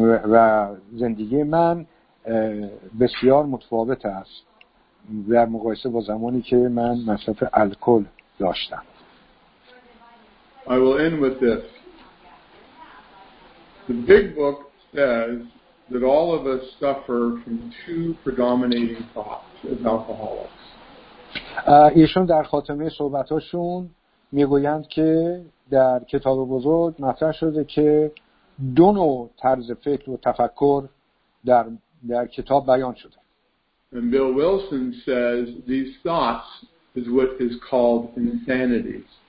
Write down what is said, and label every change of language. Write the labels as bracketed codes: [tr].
[fa] و زندگی من بسیار متفاوت است در مقایسه با زمانی که من مصرف الکل داشتم. [en] I will end with this. The big book says that all of us suffer from two predominating thoughts as alcoholics. [fa] ایشون در خاتمه صحبتاشون میگویند که در کتاب بزرگ مطرح شده که دو نوع طرز فکر و تفکر در کتاب بیان شده. [en] And Bill Wilson says these thoughts is what is called insanity.